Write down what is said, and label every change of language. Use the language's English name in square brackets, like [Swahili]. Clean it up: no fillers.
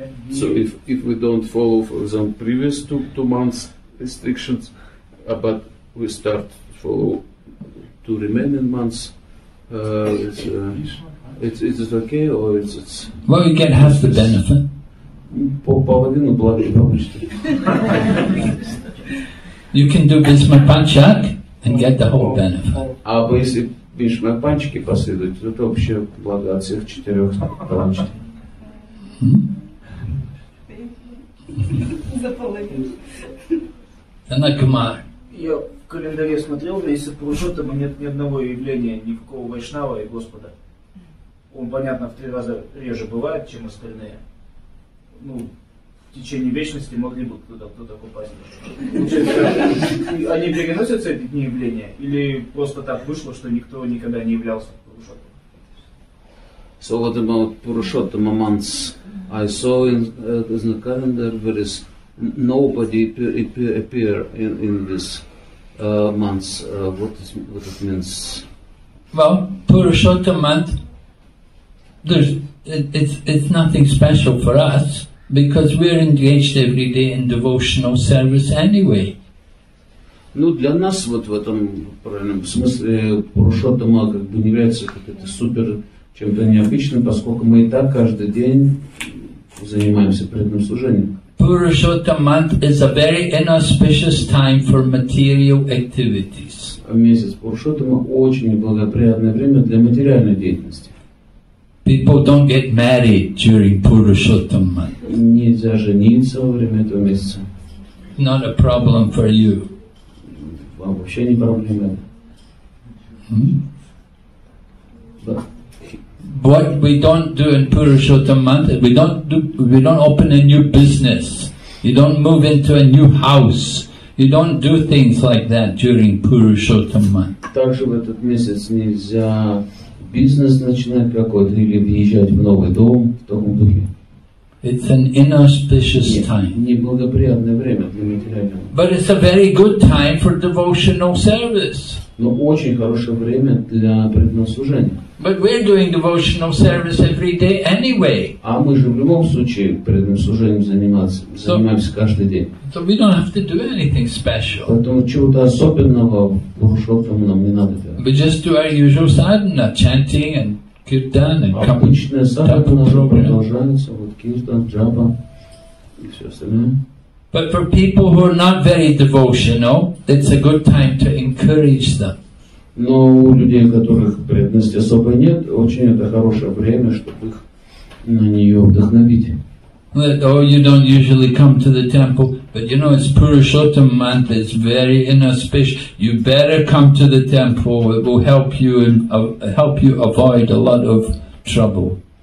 [English] So if we don't follow, for example, previous two months restrictions, but we start for two remaining months, it's okay or it's well, you can have the benefit. [Russian] Половину [English] You can do Bhishma Panchak and get the whole benefit. [Russian] Бишма панчики последуют, это вообще благо от всех четырех панчиков. За половину. Анакумар. Я в календаре смотрел, месяц прошел, там нет ни одного явления, никакого вайшнава и Господа. Он, понятно, в три раза реже бывает, чем остальные. Ну, в течение вечности могли бы кто-то попасть. Они переносятся эти дни явления? Или просто так вышло, что никто никогда не являлся Пурушоттой? [English] So what about Пурушоттама months? I saw in the calendar there is nobody appear in this months. What it means? Well, Пурушоттама month, it's nothing special for us. Because we're engaged every day in devotional service anyway. [Russian] Ну для нас вот в этом правильном смысле Пурушоттама как бы не является какой-то супер чем-то необычным, поскольку мы и так каждый день занимаемся преданным служением. [English] Пурушоттама month is a very inauspicious time for material activities. [Russian] Месяц Пурушоттама очень неблагоприятное время для материальной деятельности. [English] People don't get married during Пурушоттама month. [Russian] Нельзя жениться во время этого месяца. [English] Not a problem for you. [Russian] Вам вообще не проблема. [English] What we don't do in Пурушоттама month, we don't open a new business. You don't move into a new house. You don't do things like that during Пурушоттама month. [Russian] Также в этот месяц нельзя бизнес начинать какой-то или въезжать в новый дом в таком духе. [English] It's an inauspicious time. [Russian] Неблагоприятное время для материального. [English] But it's a very good time for devotional service. [Russian] Но очень хорошее время для преданного служения. [English] But we're doing devotional service every day anyway. [Russian] А мы же в любом случае преданным служением занимаемся каждый день. [English] So we don't have to do anything special. [Russian] Поэтому чего-то особенного в Пурушоттама нам не надо делать. [English] We just do our usual sadhana, chanting and kirtan and [Russian] kapha. Обычная sadhana уже продолжается, вот kirtan, japa и все остальное. [English] But for people who are not very devotional, it's a good time to encourage them. [Russian] Но у людей, у которых преданности особо нет, очень это хорошее время, чтобы их на нее вдохновить. [English] Oh, you don't usually come to the temple, but you know, it's Пурушоттама month, it's very inauspicious. You better come to the temple, it will help you avoid a lot of trouble.